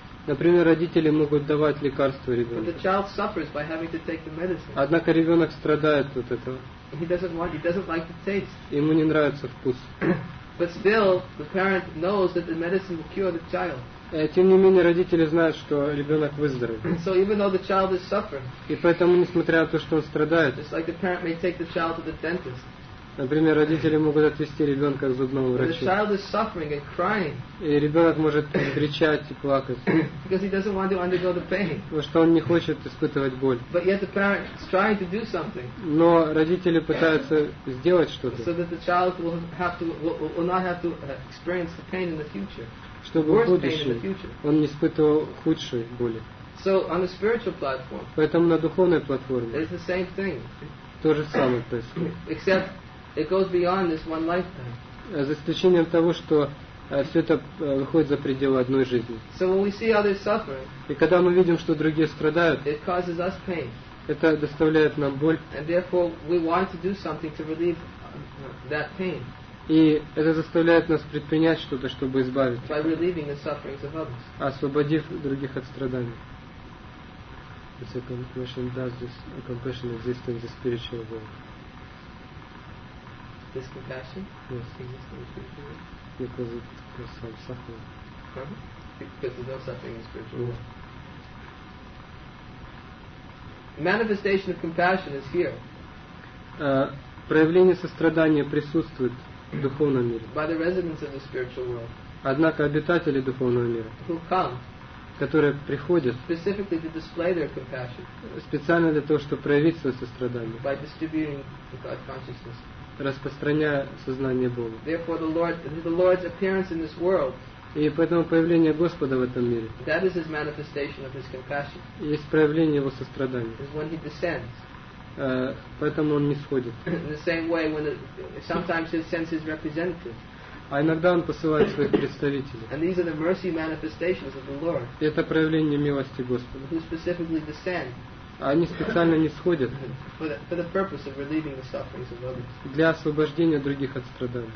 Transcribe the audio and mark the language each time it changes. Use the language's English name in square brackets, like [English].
[Russian] Например, родители могут давать лекарства ребенку. [English] But the child suffers by having to take the medicine. [Russian] Однако ребенок страдает от этого. [English] He doesn't like the taste. [Russian] Ему не нравится вкус. [English] But still, the parent knows that the medicine will cure the child. [Russian] Тем не менее, родители знают, что ребенок выздоровел. [English] So even though the child is suffering. [Russian] И поэтому, несмотря на то, что он страдает. [English] Just like the parent may take the child to the dentist. [Russian] Например, родители могут отвезти ребенка к зубному врачу. [English] The child is suffering and crying. [Russian] И ребенок может кричать и плакать. [English] Because he doesn't want to undergo the pain. [Russian] Потому что он не хочет испытывать боль. [English] But yet the parent is trying to do something. [Russian] Но родители пытаются сделать что-то. [English] So that the child will not have to experience the pain in the future. [Russian] Чтобы [English] worst [Russian] в будущем он не испытывал худшей боли. [English] So on the spiritual platform. [Russian] Поэтому на духовной платформе. [English] It's the same thing. [Russian] То же самое происходит. [English] Except it goes beyond this one lifetime. [Russian] За исключением того, что все это выходит за пределы одной жизни. [English] So when we see others suffering, [Russian] и когда мы видим, что другие страдают, [English] it causes us pain. [Russian] Это доставляет нам боль. [English] And therefore, we want to do something to relieve that pain. [Russian] И это заставляет нас предпринять что-то, чтобы избавиться. [English] By relieving the sufferings of others. [Russian] Освободив других от страданий. [English] It's a compassion does this, a compassion exists in the spiritual world. This compassion? Yes. Exists in the spiritual world. Because it causes some suffering. Because there's no suffering in the spiritual world. The manifestation of compassion is here. [Russian] Проявление сострадания присутствует в духовном мире. [English] By the residents of the spiritual world. [Russian] Однако обитатели духовного мира. [English] Who come? [Russian] Которые приходят [English] specifically to display their compassion, [Russian] специально для того, чтобы проявить свое сострадание, [English] by distributing the God consciousness. [Russian] Распространяя сознание Бога. [English] Therefore, the Lord's appearance in this world, [Russian] и поэтому появление Господа в этом мире, [English] that is his manifestation of his compassion, [Russian] есть проявление Его сострадания. [English] Is when he descends. [Russian] Поэтому Он не сходит. [English] In the same way, when sometimes he sends his representative. [Russian] А иногда Он посылает своих представителей. [English] And these are the mercy manifestations of the Lord. [Russian] И это проявление милости Господа. [English] Who specifically descend. [Russian] Они специально не сходят. [English] For the purpose of relieving the sufferings of others. [Russian] Для освобождения других от страданий.